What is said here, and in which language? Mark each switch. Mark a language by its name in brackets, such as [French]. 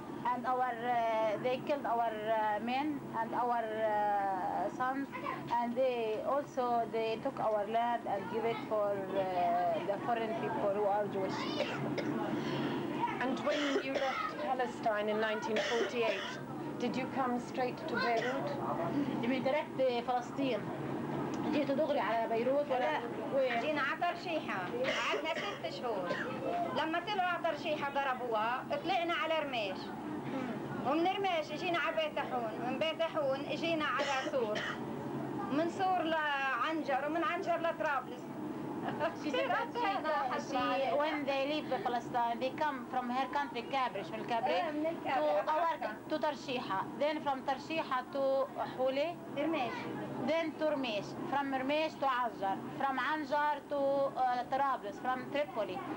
[English] And they killed our men and our sons, and they also took our land and give it for the foreign people who are Jewish. And when you left Palestine in 1948, did you come straight to Beirut? You mean direct to Palestine? [Arabic] جيت دغري على بيروت ولا جينا عطر شيحة عدنا 6 شهور لما طلعوا عطر شيحة ضربوها طلعنا على رماش ومن رماش جينا على بيت حون من بيت حون جينا على سور من سور لعنجر ومن عنجر لطرابلس [English] She said when they leave Palestine, they come from her country, Kabrish, from Kabri, to Tarshiha. Then from Tarshiha to Huli. Irmesh. Then to Irmesh. From Irmesh to Anjar. From Anjar to Trablus. From Tripoli.